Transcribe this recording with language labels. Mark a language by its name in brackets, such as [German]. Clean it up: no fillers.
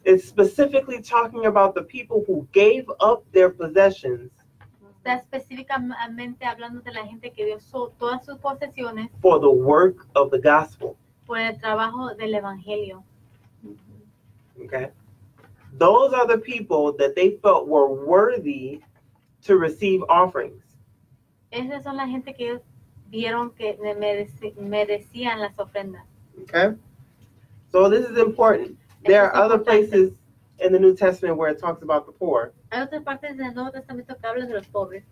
[English] It's specifically talking about the people who gave up their possessions. [Spanish] Está específicamente hablando de la gente que dio todas sus posesiones. [English] For the work of the gospel. [Spanish] Por el trabajo del evangelio. [English] Okay. Those are the people that they felt were worthy to receive offerings. [Spanish] Esas son la gente que vieron que merecían las ofrendas. [English] Okay. So this is important. There are other places in the New Testament where it talks about the poor. [Spanish] Hay otras partes del Nuevo Testamento que hablan de los pobres.